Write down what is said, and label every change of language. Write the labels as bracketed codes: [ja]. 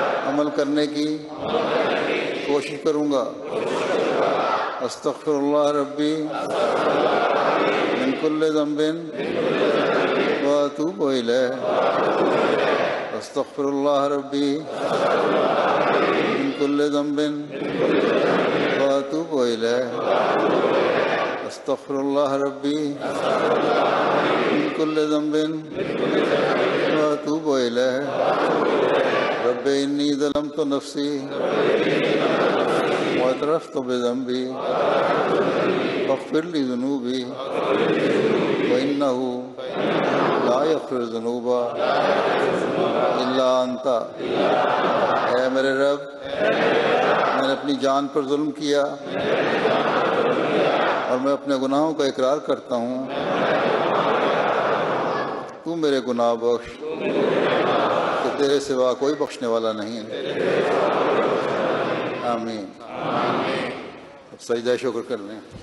[ur] عمل کرنے کی کوشش کروں گا [ar] استغفر اللہ ربی من کل ذنب واتوب الیہ استغفر اللہ ربی من کل ذنب واتوب الیہ استغفر الله ربي من كل ذنب واتوب اليه ربي اني ظلمت نفسي واعترفت بذنبي فاغفر لي ذنوبي فانه لا يغفر الذنوب الا انت [ur] اے میرے رب میں نے اپنی جان پر ظلم کیا اور میں اپنے گناہوں کا اقرار کرتا ہوں تو میرے گناہ بخش کہ تیرے سوا کوئی بخشنے والا نہیں آمین اب سجدہ شکر کر لیں